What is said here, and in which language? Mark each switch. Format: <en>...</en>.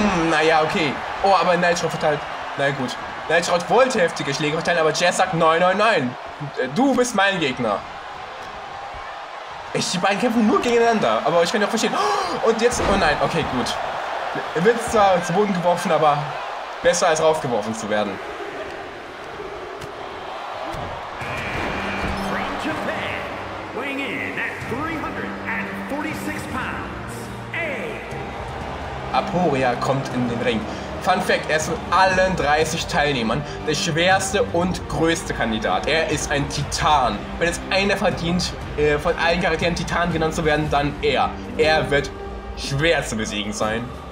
<de>Naja, okay. Oh, aber Nightshot verteilt. Na gut. Nightshot wollte heftige Schläge verteilen, aber Chess sagt 999. Du bist mein Gegner. Echt, die beiden kämpfen nur gegeneinander, aber ich kann ja auch verstehen. Und jetzt, oh nein, okay, gut. Er wird zwar zu Boden geworfen, aber besser als raufgeworfen zu werden.</de> <en>From Japan, weighing in at 346 pounds, A.</en> <de>Aporia kommt in den Ring. Fun Fact, er ist von allen 30 Teilnehmern der schwerste und größte Kandidat. Er ist ein Titan. Wenn es einer verdient, von allen Charakteren Titan genannt zu werden, dann er. Er wird schwer zu besiegen sein.</de>